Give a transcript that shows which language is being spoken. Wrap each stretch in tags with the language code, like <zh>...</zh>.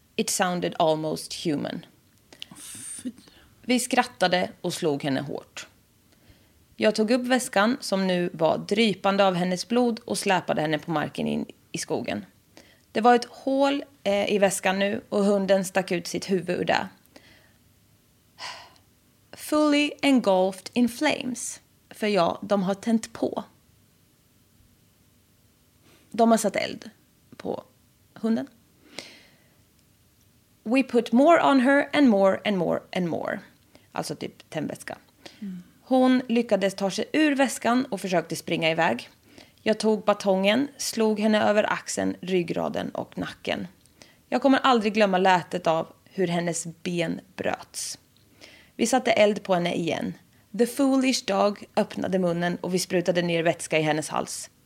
<en>It sounded almost human.</en> <sv>Vi skrattade och slog henne hårt. Jag tog upp väskan som nu var drypande av hennes blod och släpade henne på marken in i skogen. Det var ett hål i väskan nu och hunden stack ut sitt huvud ur där.</sv> <en>Fully engulfed in flames.</en> <sv>För ja, de har tänt på. De har satt eld på hunden.</sv> <en>We put more on her and more and more and more.</en> <sv>Alltså typ tändväska. Hon lyckades ta sig ur väskan och försökte springa iväg. Jag tog batongen, slog henne över axeln, ryggraden och nacken. Jag kommer aldrig glömma lätet av hur hennes ben bröts. Vi satte eld på henne igen.</sv> <en>The foolish dog</en> <sv>öppnade munnen och vi sprutade ner vätska i hennes hals.</sv>